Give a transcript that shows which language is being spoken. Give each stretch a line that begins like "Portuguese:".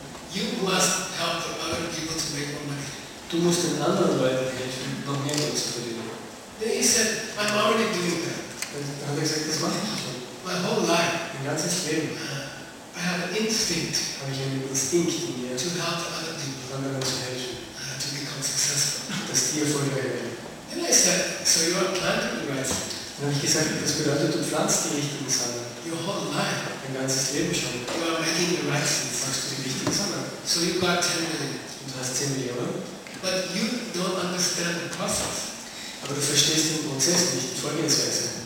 English: You must help the other people to make more money.
German: Du musst den anderen Leuten helfen, noch mehr Geld zu verdienen.
English: Then he said, I'm already doing that.
German: Dann hat er gesagt, das mache ich schon.
English: My whole life.
German: Mein ganzes Leben.
English: I have an instinct.
German: Habe ich einen Instinkt in mir.
English: To help the other people.
German: Anderen zu helfen.
English: To become successful.
German: Dass die erfolgreich werden.
English: Then I said, so you are planting the right seed.
German: Dann habe ich gesagt, das bedeutet, du pflanzt die richtigen Samen.
English: Your whole life.
German: Dein ganzes Leben schon.
English: You are making the right seed.
German: Pflanzt du die richtigen Samen.
English: So you got 10 million.
German: Und du hast 10 Millionen.
English: But you don't understand the process.
German: Aber du verstehst den Prozess nicht, die Vorgehensweise.